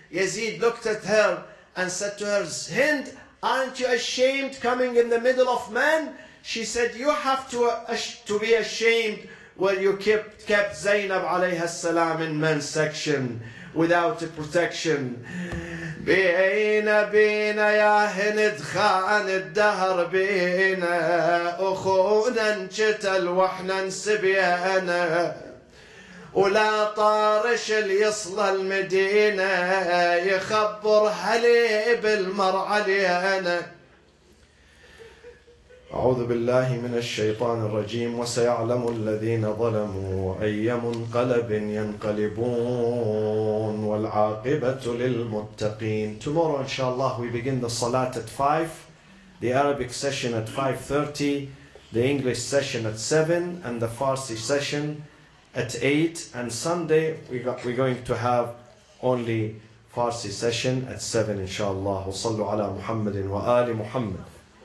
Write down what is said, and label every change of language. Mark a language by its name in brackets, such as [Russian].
[English] Yazid looked at her and said to her, Hind, aren't you ashamed coming in the middle of men? She said, you have to be ashamed where you kept Zainab alayhi salam in men's section without a protection. [Arabic] بين بين يا هند خان الدهر بين أخونا انشتل وحنا نسبيانا ولا طارش ليصل المدينة يخبر حليب المرعى لينا. أعوذ بالله من الشيطان الرجيم وسيعلم الذين ظلموا أي منقلب ينقلبون والعاقبة للمتقين. [English] Tomorrow inshallah we begin the Salat at 5, the Arabic session at 5:30, the English session at 7, and the Farsi session at 8, and Sunday we're going to have only Farsi session at 7 inshallah. [Arabic] وصلوا على محمد وآل محمد.